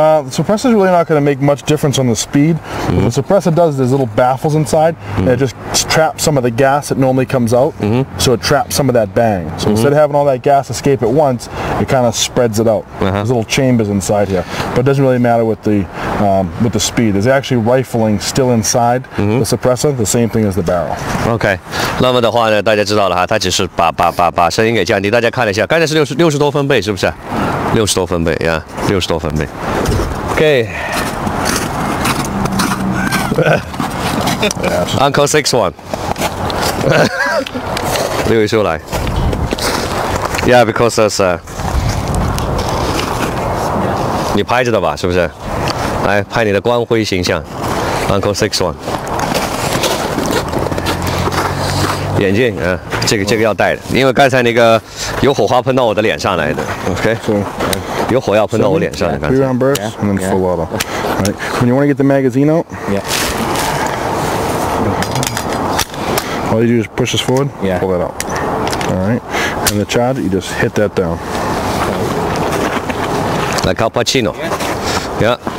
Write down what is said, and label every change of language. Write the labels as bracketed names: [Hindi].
[English] Suppressor is really not going to make much difference on the speed. What the suppressor does is there's little baffles inside, and it just traps some of the gas that normally comes out. So it traps some of that bang. So instead of having all that gas escape at once, it kind of spreads it out. There's little chambers inside here, but it doesn't really matter with the speed. There's actually rifling still inside the suppressor, the same thing as the barrel. [Chinese] Okay, 那么的话呢，大家知道了哈，它只是把声音给降低。大家看了一下，刚才是六十多分贝，是不是？六十多分贝呀，六十多分贝。 [English] Okay. [Chinese] Uncle 61, 六一叔来。 Yeah, [English] because that's [Chinese] 你拍着的吧，是不是？来拍你的光辉形象 ，Uncle 61，眼镜啊，这个要戴的，因为刚才那个有火花喷到我的脸上来的 ，OK， 有火药喷到我脸上的。 [English] Three round burst and then full auto. Right. When you want to get the magazine out, yeah. All you do is push this forward, yeah. Pull that out. All right. And the charge, you just hit that down. Like Al Pacino. Yeah.